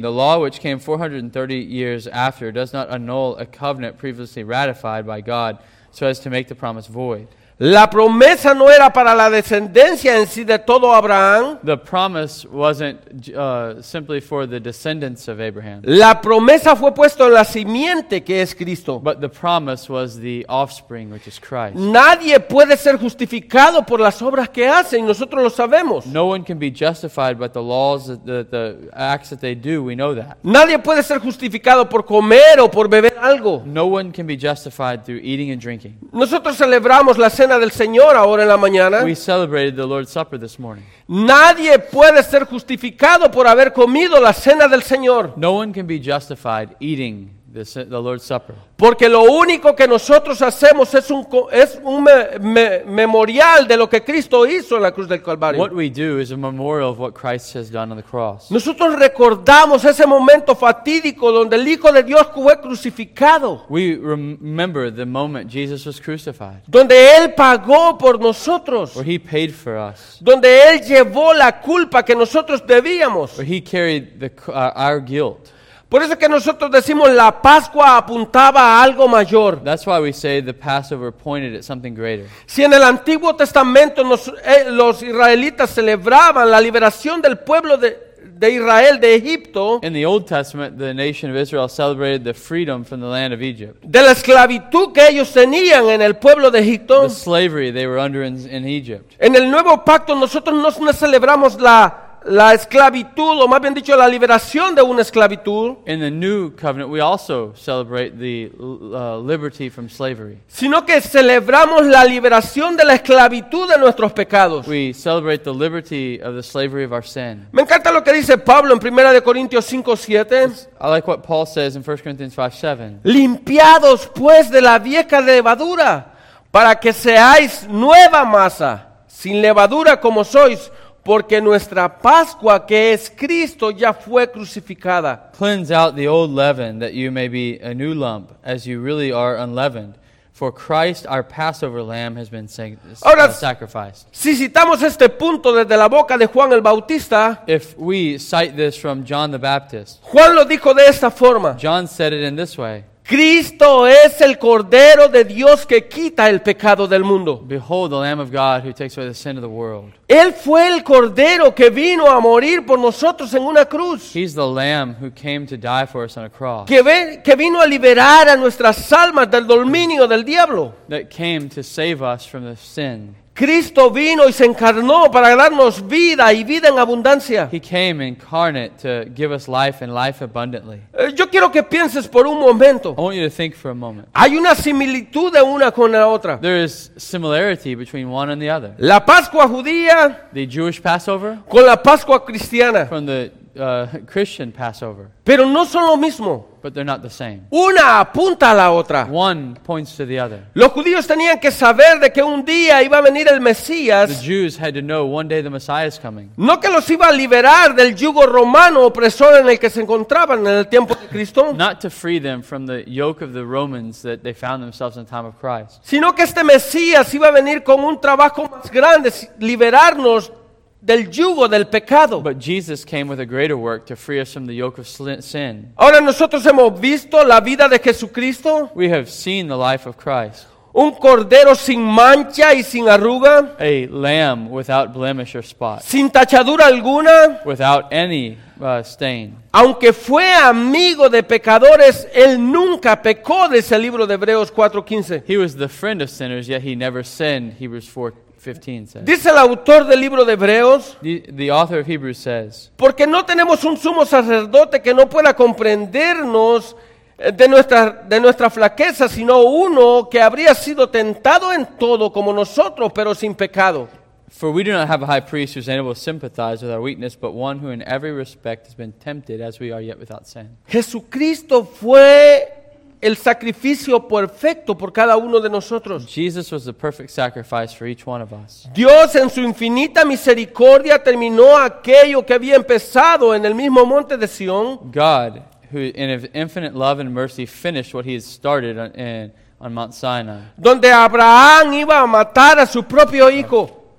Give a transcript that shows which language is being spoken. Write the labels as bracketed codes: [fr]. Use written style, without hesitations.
[en] The law which came 430 years after does not annul a covenant previously ratified by God so as to make the promise void. [es] La promesa no era para la descendencia en sí de todo Abraham. [en] The promise wasn't simply for the descendants of Abraham. [es] La promesa fue puesto en la simiente que es Cristo. [en] But the promise was the offspring, which is Christ. [es] Nadie puede ser justificado por las obras que hacen. Nosotros lo sabemos. [en] No one can be justified by the laws, the acts that they do. We know that. [es] Nadie puede ser justificado por comer o por beber algo. [en] No one can be justified through eating and drinking. [es] Nosotros celebramos la Cena del Señor ahora en la mañana. [en] We celebrated the Lord's Supper this morning. Nadie puede ser justificado por haber comido la Cena del Señor. No one can be justified eating the Lord's Supper. [es] Porque lo único que nosotros hacemos es un memorial de lo que Cristo hizo en la cruz del Calvario. [en] What we do is a memorial of what Christ has done on the cross. [es] Nosotros recordamos ese momento fatídico donde el Hijo de Dios fue crucificado. [en] We remember the moment Jesus was crucified. [es] Donde Él pagó por nosotros. [en] Where He paid for us. [es] Donde Él llevó la culpa que nosotros debíamos. [en] Where He carried our guilt. [es] Por eso que nosotros decimos la Pascua apuntaba a algo mayor. [en] That's why we say the Passover pointed at something greater. [es] Si en el Antiguo Testamento los israelitas celebraban la liberación del pueblo de Israel de Egipto, [en] in the Old Testament, the nation of Israel celebrated the freedom from the land of Egypt. [es] De la esclavitud que ellos tenían en el pueblo de Egipto. [en] The slavery they were under in Egypt. [es] En el Nuevo Pacto nosotros no celebramos la esclavitud, o más bien dicho, la liberación de una esclavitud. [en] In the New Covenant, we also celebrate the liberty from slavery. [es] Sino que celebramos la liberación de la esclavitud de nuestros pecados. [en] We celebrate the liberty of the slavery of our sin. [es] Me encanta lo que dice Pablo en 1 Corintios 5:7. [en] I like what Paul says in 1 Corinthians 5:7. [es] Limpiados, pues, de la vieja levadura, para que seáis nueva masa, sin levadura como sois, porque nuestra Pascua, que es Cristo, ya fue crucificada. [en] Cleanse out the old leaven, that you may be a new lump, as you really are unleavened. For Christ, our Passover lamb, has been sacrificed. [es] Si citamos este punto desde la boca de Juan el Bautista, [en] if we cite this from John the Baptist, [es] Juan lo dijo de esta forma. [en] John said it in this way. [es] Cristo es el Cordero de Dios que quita el pecado del mundo. [en] Behold the Lamb of God who takes away the sin of the world. [es] Él fue el Cordero que vino a morir por nosotros en una cruz. [en] He's the Lamb who came to die for us on a cross. [es] Que vino a liberar a nuestras almas del dominio del diablo. [en] That came to save us from the sin. [es] Cristo vino y se encarnó para darnos vida y vida en abundancia. [en] He came incarnate to give us life and life abundantly. [es] Yo quiero que pienses por un momento. [en] I want you to think for a moment. [es] Hay una similitud de una con la otra. [en] There is similarity between one and the other. [es] La Pascua judía, [en] the Jewish Passover, [es] con la Pascua cristiana, [en] from the Christian Passover. [es] Pero no son lo mismo. [en] But they're not the same. [es] Una apunta a la otra. [en] One points to the other. [es] Los judíos tenían que saber de que un día iba a venir el Mesías. [en] The Jews had to know one day the Messiah is coming. [es] No que los iba a liberar del yugo romano opresor en el que se encontraban en el tiempo de Cristo. [en] Not to free them from the yoke of the Romans that they found themselves in the time of Christ. [es] Sino que este Mesías iba a venir con un trabajo más grande, liberarnos del yugo del pecado. [en] But Jesus came with a greater work to free us from the yoke of sin. [es] Ahora nosotros hemos visto la vida de Jesucristo. [en] We have seen the life of Christ. [es] Un cordero sin mancha y sin arruga. [en] A lamb without blemish or spot. [es] Sin tachadura alguna. [en] Without any stain. [es] Aunque fue amigo de pecadores, él nunca pecó, dice el libro de Hebreos 4:15. [en] He was the friend of sinners, yet he never sinned, Hebrews 4:15. 15 says. [es] Dice el autor del libro de Hebreos. [en] The author of Hebrews says. [es] Porque no tenemos un sumo sacerdote que no pueda comprendernos de nuestra flaqueza, sino uno que habría sido tentado en todo como nosotros, pero sin pecado. [en] For we do not have a high priest who is able to sympathize with our weakness, but one who in every respect has been tempted as we are, yet without sin. [es] Jesucristo fue el sacrificio perfecto por cada uno de nosotros. [en] Jesus was the perfect sacrifice for each one of us. [es] Dios en su infinita misericordia terminó aquello que había empezado en el mismo monte de Sion. [en] God, who in his infinite love and mercy finished what he had started on Mount Sinai. [es] Donde Abraham iba a matar a su propio hijo.